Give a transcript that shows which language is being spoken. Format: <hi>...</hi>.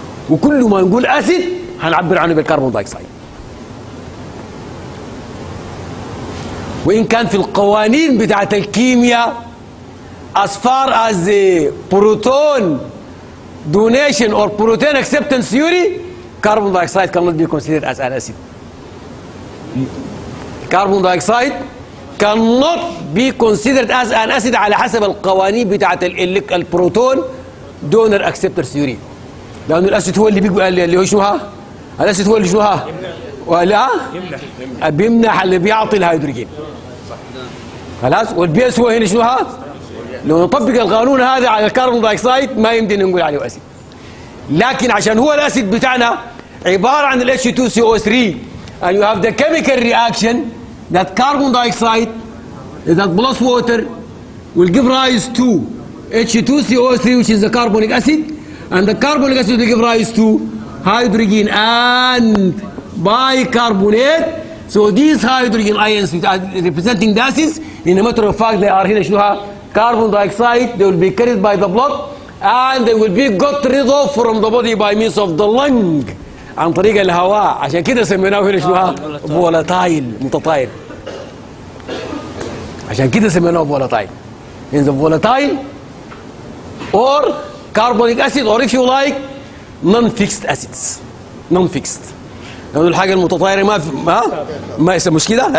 <ar>وكل ما نقول اسيد هنعبر عنه بالكربون دايكسايد. وان كان في القوانين بتاعت الكيمياء</ar> <en>as far as the proton donation or protein acceptance theory, carbon dioxide cannot be considered as an acid. Carbon dioxide cannot be considered as an acid</en> <ar>على حسب القوانين بتاعت</ar> <en>البروتون donor acceptor theory.</en> <ar>لانه الاسيد هو اللي بيقول اللي هو شنوها؟ الاسيد هو اللي شنوها؟ ولا؟ بيمنح اللي بيعطي الهيدروجين. خلاص؟ والبيس هو هنا شنوها؟ لو نطبق القانون هذا على الكربون دايكسايد ما يمدينا نقول عليه اسيد. لكن عشان هو الاسيد بتاعنا عباره عن الاتش 2 سي او 3</ar> <en>and you have the chemical reaction that carbon dioxide is that plus water will give rise to H2CO3 which is the carbonic acid. And the carbonic acid will give rise to hydrogen and bicarbonate. So these hydrogen ions which are representing the acids, in a matter of fact, they are here, شنوها? Carbon dioxide, they will be carried by the blood and they will be got rid of from the body by means of the lung.</en> <ar>عن طريق الهواء, عشان كده سميناه هنا شنوها؟ فولاتايل, متطاير. عشان كده سميناه فولاتايل.</ar> <en>In the volatile or carbonic acid or if you like non-fixed acids.</en> <ar>نون فيكست، لانه الحاجه المتطايره ما في ما ما هي مشكله.</ar>